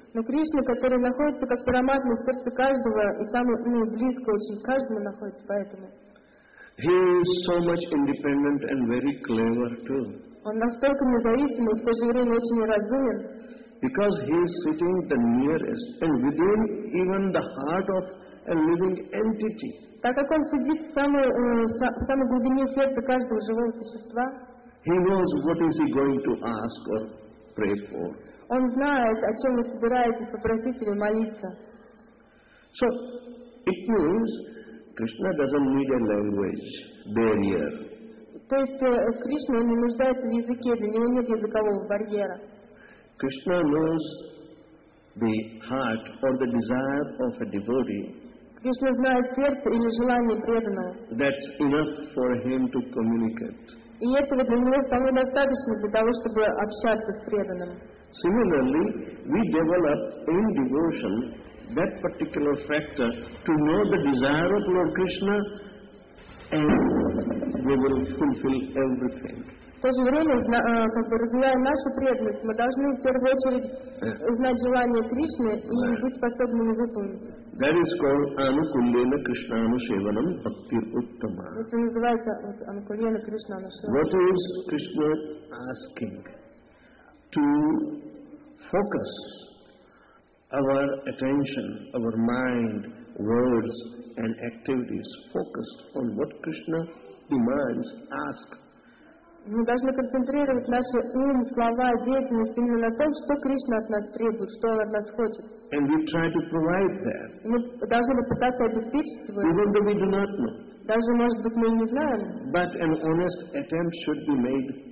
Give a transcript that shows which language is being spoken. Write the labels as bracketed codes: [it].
[ru] Но Кришна, который находится как Параматма в сердце каждого и самый близко очень каждому находится, поэтому. [en] He is so much independent and very clever too. [ru] Он настолько независимый и в то же время очень разумен. [en] Because he is sitting the nearest and within even the heart of a living entity. [ru] Так как он сидит в самой глубине сердца каждого живого существа. [en] He knows what is he going to ask or pray for. [ru] Он знает, о чем вы собираетесь попросить или молиться. [en] So it means Krishna doesn't need a language barrier. [ru] То есть Кришна не нуждается в языке, для него нет языкового барьера. [en] Krishna knows the heart or the desire of a devotee. [ru] Кришна знает сердце или желание преданного. [en] That's enough for him to communicate. [ru] И этого для него вполне достаточно для того, чтобы общаться с преданным. [en] Similarly, we develop in devotion that particular factor to know the desire of Lord Krishna, and we will fulfill everything. [ru] В то же время, как бы развивая нашу преданность, мы должны в первую очередь знать желание Кришны и быть способными выполнить. [en] That is called [sa] Anukulena Krishna Anushevanam Bhaktir Uttama. [ru] Это называется [sa] Anukulena Krishna Anushevanam. [en] What is Krishna asking? To focus our attention, our mind, words and activities focused on what Krishna demands, asks. [ru] Мы должны концентрировать наши ум, слова, деятельность именно на том, что Кришна от нас требует, что Он от нас хочет. [en] And we try to provide that. [ru] Мы должны попытаться обеспечить его. [en] Even though we do not know. [ru] Даже, может быть, мы не знаем. [en] But an honest attempt should be made.